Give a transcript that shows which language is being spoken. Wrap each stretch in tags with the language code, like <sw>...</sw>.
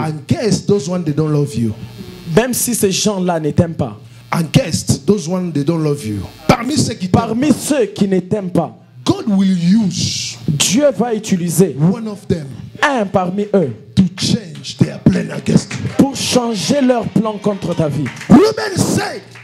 <en>And guess those ones, they don't love you.</en> <fr>Même si ces gens-là ne t'aiment pas.</fr> <en>And guess those ones they don't love you.</en> <fr>Parmi ceux qui parmi ceux qui ne t'aiment pas.</fr> <en>God will use.</en> <fr>Dieu va utiliser</fr> <en>one of them.</en> <fr>Un parmi eux.</fr> <en>To change their plan against you.</en> <fr>Pour changer leur plan contre ta vie.</fr> <en>Reuben said.</en>